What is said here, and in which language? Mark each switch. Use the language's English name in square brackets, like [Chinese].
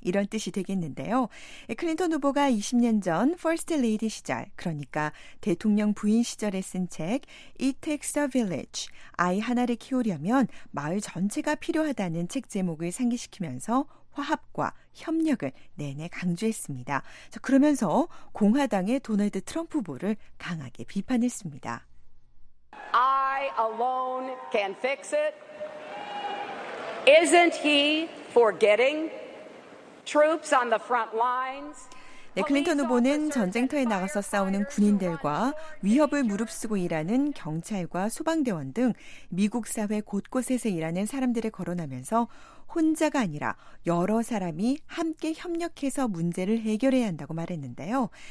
[Korean] 이런 뜻이 되겠는데요. 클린턴 후보가 20년 전 퍼스트 레이디 시절, 그러니까 대통령 부인 시절에 쓴 책 It Takes a Village, 아이 하나를 키우려면 마을 전체가 필요하다는 책 제목을 상기시키면서 화합과 협력을 내내 강조했습니다. 그러면서 공화당의 도널드 트럼프 후보를 강하게 비판했습니다. [English] I alone can fix it. Isn't he for getting troops on the front lines? [Korean] 네, 클린턴 후보는 전쟁터에 나가서 싸우는 군인들과 위협을 무릅쓰고 일하는 경찰과 소방대원 등 미국 사회 곳곳에서 일하는 사람들을 거론하면서 혼자가 아니라 여러 사람이 함께 협력해서 문제를 해결해야 한다고 말했는데요.